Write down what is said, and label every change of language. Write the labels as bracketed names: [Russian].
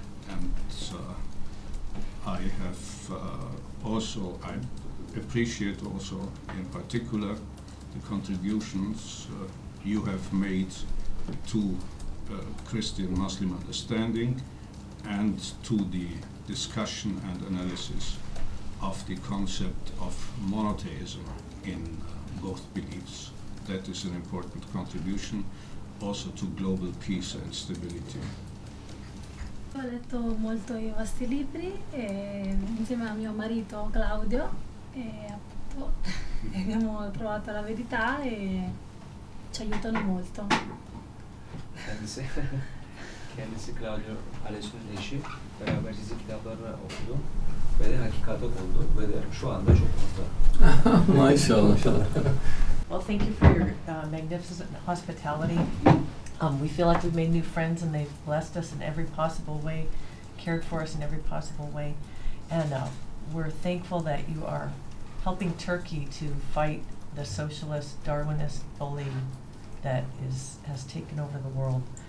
[English] And I have also, I appreciate also in particular the contributions you have made to Christian Muslim understanding and to the discussion and analysis of the concept of monotheism in both beliefs. That is an important contribution also to global peace and stability. [Italian] Ho letto molto i vostri libri insieme a mio marito Claudio e appunto abbiamo trovato la verità e ci aiutano molto. [Turkish] Kendisi, kendisi Claudio Alessio'nun eşi, beraber çizgi kitaplarını okudu ve de hakikate kondu ve de şu anda çok mutlu. Maşallah. [English] Well, thank you for your magnificent hospitality. We feel like we've made new friends, and they've blessed us in every possible way, cared for us in every possible way. And we're thankful that you are helping Turkey to fight the socialist, Darwinist bully that has taken over the world.